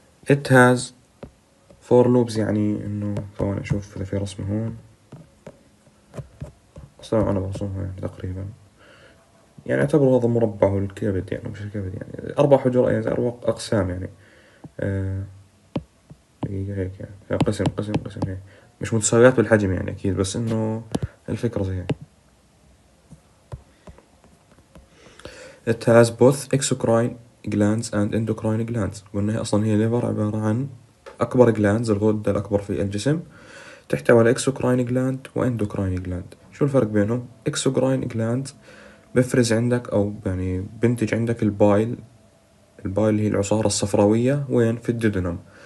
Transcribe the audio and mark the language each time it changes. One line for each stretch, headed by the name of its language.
English: It has 4 loops
Arabic: يعني إنه طبعاً أشوف إذا في رسمة هون، أصلاً أنا برسمها يعني تقريباً، يعني أعتبره هذا مربع هو الكبد يعني مش الكبد يعني 4 يعني 4 أقسام يعني هيك هيك يعني قسم هيك، مش متساويات بالحجم يعني أكيد، بس إنه الفكرة زي هيك.
English: It has both exocrine glands and endocrine glands.
Arabic: قلنا هي أصلاً هي ليفر عبارة عن أكبر glands، الغدة الأكبر في الجسم، تحتوي على exocrine gland و endocrine gland. شو الفرق بينهم؟ exocrine gland بفرز عندك أو يعني بنتج عندك البايل، البايل هي العصارة الصفراوية وين في الديدنم.